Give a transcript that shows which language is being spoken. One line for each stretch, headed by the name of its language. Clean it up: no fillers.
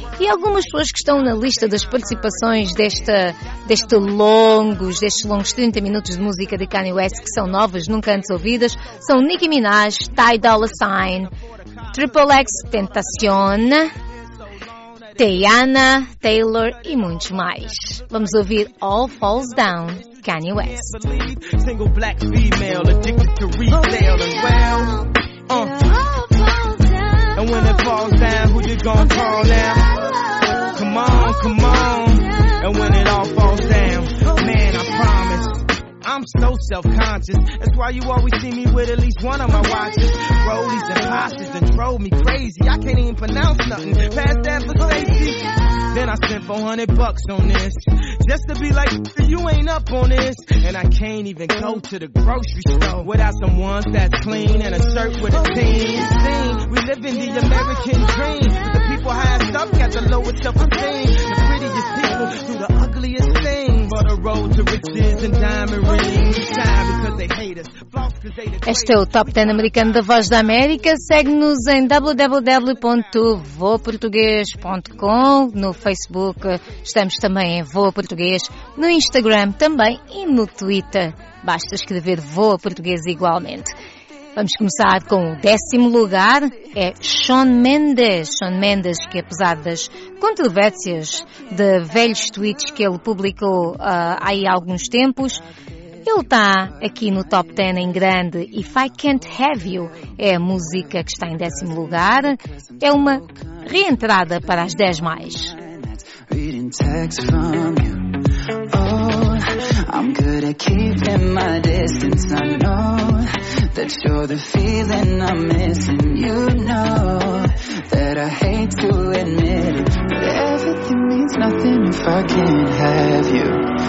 Portuguese: E algumas pessoas que estão na lista das participações destes longos 30 minutos de música de Kanye West, que são novas, nunca antes ouvidas, são Nicki Minaj, Ty Dolla Sign, Triple X Tentacion, Teyana, Taylor e muitos mais. Vamos ouvir All Falls Down, Kanye West.
English: Single black female addicted to retail and well. And when it falls down, who you gonna call now? Come on, come on. And when it all falls down, man, I promise. I'm so self-conscious, that's why you always see me with at least one of my watches. Rollies and posses that drove me crazy. I can't even pronounce nothing past that for safety. Then I spent $400 on this, just to be like, you ain't up on this. And I can't even go to the grocery store without some ones that's clean and a shirt with a team. We live in the American dream. The people high up got the lowest self-esteem. The prettiest people do the ugliest thing. But the road to riches and diamond rings shine because they hate us.
Portuguese: Este é o Top 10 americano da Voz da América. Segue-nos em www.voaportugues.com. No Facebook estamos também em Voa Português. No Instagram também e no Twitter. Basta escrever Voa Português igualmente. Vamos começar com o décimo lugar. É Shawn Mendes. Shawn Mendes, que apesar das controvérsias de velhos tweets que ele publicou aí há alguns tempos, ele está aqui no Top 10 em grande. If I Can't Have You é a música que está em décimo lugar. É uma reentrada para as 10 mais.
English: Reading texts from you. Oh, I'm good at keeping my distance. I know that you're the feeling I'm missing. You know that I hate to admit it, but everything means nothing if I can't have you.